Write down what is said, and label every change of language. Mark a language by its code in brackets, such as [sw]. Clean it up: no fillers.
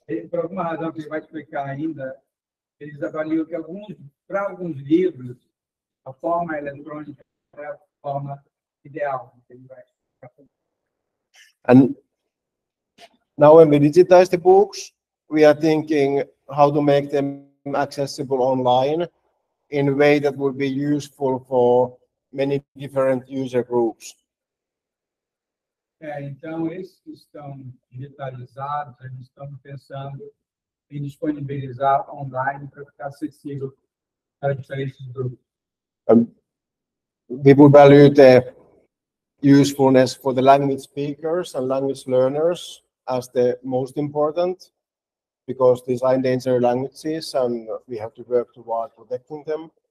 [pt] Por alguma razão que ele vai explicar ainda, eles avaliam que alguns, para alguns livros, a forma eletrônica é a forma ideal. [en] And now when we digitize the books, we are thinking how to make them accessible online in a way that would be useful for many different user groups. [pt] É, então, esses que estão digitalizados, a gente está pensando em disponibilizar online para ficar acessível para diferentes grupos. [en] We would value the usefulness for the language speakers and language learners as the most important. Because these are endangered languages and we have to work toward protecting them.